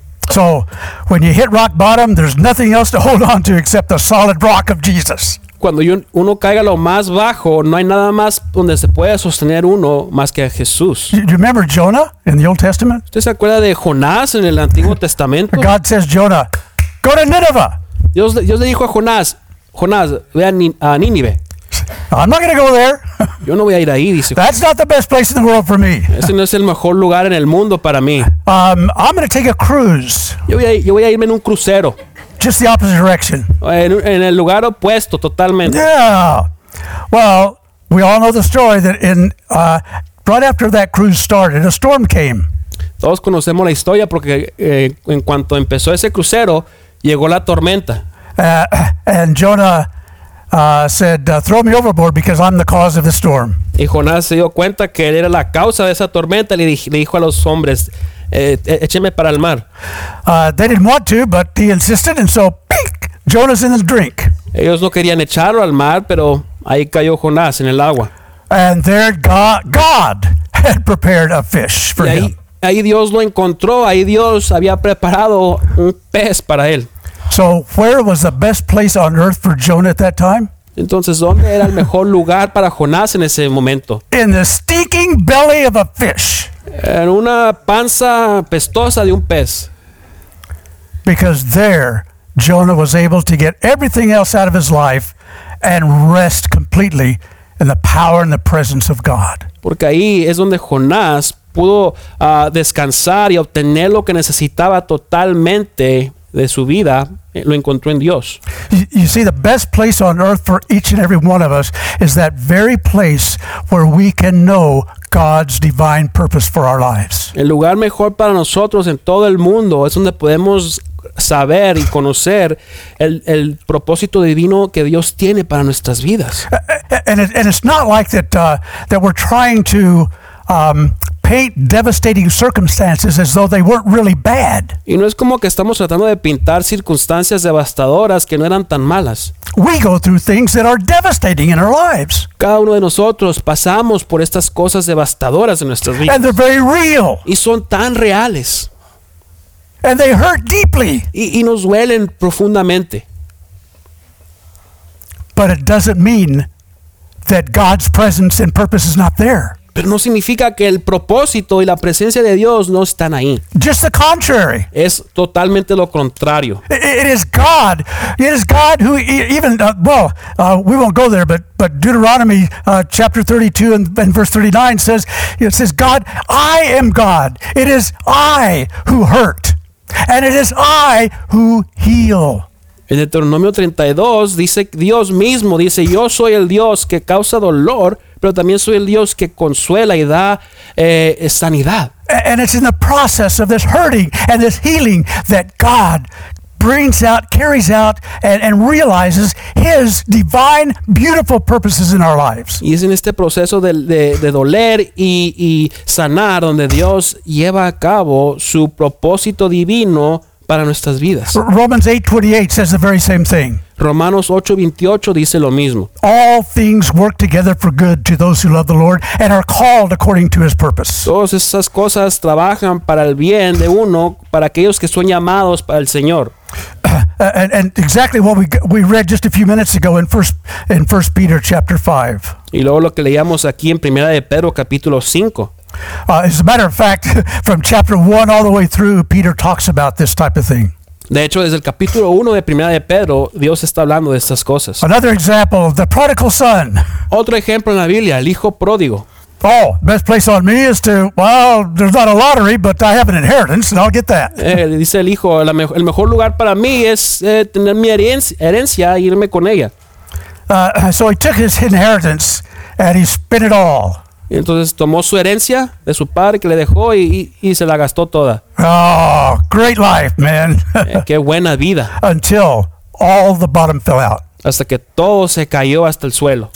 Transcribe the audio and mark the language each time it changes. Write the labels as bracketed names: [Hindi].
[English] So, when you hit rock bottom, there's nothing else to hold on to except the solid rock of Jesus. [Spanish] Cuando uno caiga lo más bajo, no hay nada más donde se pueda sostener uno más que a Jesús. [English] Do you remember Jonah in the Old Testament? [Spanish] ¿Usted se acuerda de Jonás en el Antiguo Testamento? [English] God says, Jonah, go to Nineveh. [Spanish] Dios le dijo a Jonás, Jonás, ve a Nínive. [English] I'm not going to go there. [Spanish] Yo no voy a ir ahí, dice. [English] That's not the best place in the world for me. [Spanish] Ese no es el mejor lugar en el mundo para mí. [English] I'm going to take a cruise. [Spanish] Yo voy a irme en un crucero. [English] Just the opposite direction. [Spanish] En el lugar opuesto, totalmente. [English] Yeah. Well, we all know the story that in right after that cruise started, a storm came. [Spanish] Todos conocemos la historia porque en cuanto empezó ese crucero, llegó la tormenta. [English] And Jonah said, throw me overboard because I'm the cause of the storm. [Spanish] Y Jonás se dio cuenta que él era la causa de esa tormenta. Le dijo a los hombres, écheme para el mar. [English] They didn't want to, but he insisted, and so, pink, Jonah's in the drink. [Spanish] Ellos no querían echarlo al mar, pero ahí cayó Jonás en el agua. [English] And there God had prepared a fish for [Spanish] ahí, [English] him. [Spanish] Ahí Dios lo encontró. Ahí Dios había preparado un pez para él. [English] So where was the best place on earth for Jonah at that time? [Spanish] Entonces, ¿dónde era el mejor lugar para Jonás en ese momento? [English] In the stinking belly of a fish. [Spanish] En una panza pestosa de un pez. [English] Because there, Jonah was able to get everything else out of his life and rest completely in the power and the presence of God. [Spanish] Porque ahí es donde Jonás pudo descansar y obtener lo que necesitaba totalmente de su vida, lo encontró en Dios. [English] You see, the best place on earth for each and every one of us is that very place where we can know God's divine purpose for our lives. [Spanish] El lugar mejor para nosotros en todo el mundo es donde podemos saber y conocer el propósito divino que Dios tiene para nuestras vidas. [English] And it's not like that we're trying to paint devastating circumstances as though they weren't really bad. [Spanish] Y no es como que estamos tratando de pintar circunstancias devastadoras que no eran tan malas. [English] We go through things that are devastating in our lives. [Spanish] Cada uno de nosotros pasamos por estas cosas devastadoras en nuestras vidas. [English] And they're very real. [Spanish] Y son tan reales. [English] And they hurt deeply. [Spanish] Y nos duelen profundamente. [English] But it doesn't mean that God's presence and purpose is not there. [Spanish] Pero no significa que el propósito y la presencia de Dios no están ahí. [English] Just the contrary. [Spanish] Es totalmente lo contrario. [English] It is God. It is God who even we won't go there, but Deuteronomy chapter 32 and verse 39 says, it says, God, I am God. It is I who hurt, and it is I who heal. [Spanish] En Deuteronomio 32 dice Dios mismo dice, yo soy el Dios que causa dolor, pero también soy el Dios que consuela y da sanidad. [English] And it's in the process of this hurting and this healing that God brings out, carries out, and realizes His divine, beautiful purposes in our lives. [Spanish] Y es en este proceso de doler y sanar donde Dios lleva a cabo su propósito divino para nuestras vidas. [English] Romans 8:28 says the very same thing. [Spanish] Romanos 8:28 dice lo mismo. [English] All things work together for good to those who love the Lord and are called according to His purpose. [Spanish] Todas esas cosas trabajan para el bien de uno, para aquellos que son llamados para el Señor. [English] And exactly what we read just a few minutes ago in First Peter chapter 5. [Spanish] Y luego lo que leíamos aquí en Primera de Pedro capítulo 5. [English] As a matter of fact, from chapter 1 all the way through, Peter talks about this type of thing. [Spanish] De hecho, desde el capítulo 1 de Primera de Pedro, Dios está hablando de estas cosas. [English] Another example, the prodigal son. [Spanish] Otro ejemplo en la Biblia, el hijo pródigo. [English] Oh, best place on me is to, well, there's not a lottery, but I have an inheritance, and I'll get that. [Spanish] Dice el hijo, el mejor lugar para mí es tener mi herencia y irme con ella. [English] So he took his inheritance, and he spent it all. [Spanish] Entonces tomó su herencia de su padre que le dejó y se la gastó toda. [English] Oh, great life, man. [Spanish] Qué buena vida. [English] Until all the bottom fell out. [Spanish] Hasta que todo se cayó hasta el suelo.